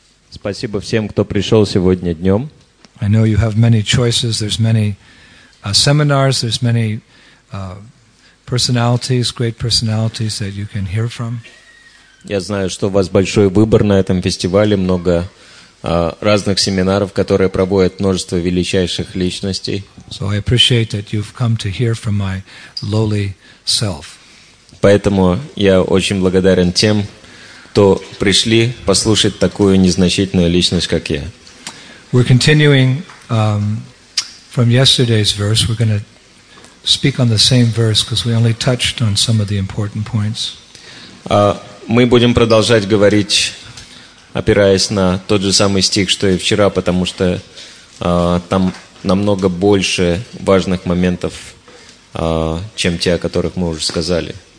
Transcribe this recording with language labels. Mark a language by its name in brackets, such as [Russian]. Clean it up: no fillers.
[Russian] Спасибо всем, кто пришел сегодня днем. [English] I know you have many choices. There's many seminars. There's many personalities, great personalities that you can hear from. [Russian] Я знаю, что у вас большой выбор на этом фестивале, много разных семинаров, которые проводят множество величайших личностей. [English] So I appreciate that you've come to hear from my lowly self. [Russian] Поэтому я очень благодарен тем, кто пришли послушать такую незначительную личность, как я. [English] We're continuing from yesterday's verse. We're going to speak on the same verse because we only touched on some of the important points. [Russian] Мы будем продолжать говорить, опираясь на тот же самый стих, что и вчера, потому что там намного больше важных моментов, чем те, о которых мы уже сказали.